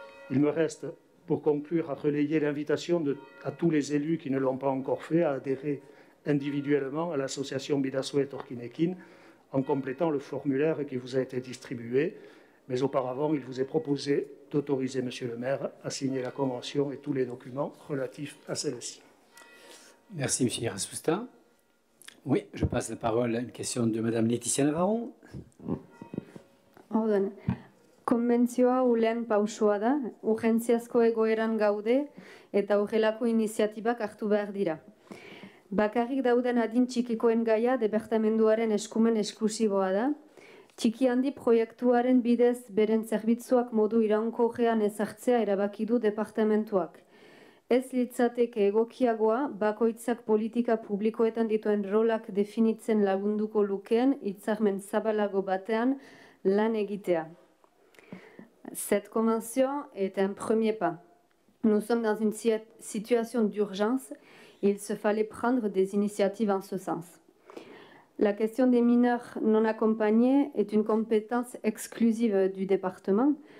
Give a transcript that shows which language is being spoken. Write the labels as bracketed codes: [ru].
[fr] Il me reste, pour conclure, à relayer l'invitation à tous les élus qui ne l'ont pas encore fait à adhérer individuellement à l'association Bidassoa et Torkinekin en complétant le formulaire qui vous a été distribué. Mais auparavant, il vous est proposé d'autoriser M. le maire à signer la convention et tous les documents relatifs à celle-ci. Merci M. Rassousta. Oui, je passe la parole à une question de Mme Laetitia Navarro. [eu] Orden. Konbentzioa ulen pausoa da, urgentziazko egoeran gaude eta horrelako iniziatibak hartu behar dira. Bakarrik dauden adin txikikoen gaia departamenduaren eskumen esklusiboa da, txiki handi proiektuaren bidez beren zerbitzuak modu iraunkorrean ezartzea erabaki du departamentuak. Ez litzateke egokiagoa bakoitzak politika publikoetan dituen rolak definitzen lagunduko lukeen hitzarmen zabalago batean lan egitea. [fr] Cette convention est un premier pas. Nous sommes dans une situation d'urgence et il se fallait prendre des initiatives en ce sens. La question des mineurs non accompagnés est une compétence exclusive du département.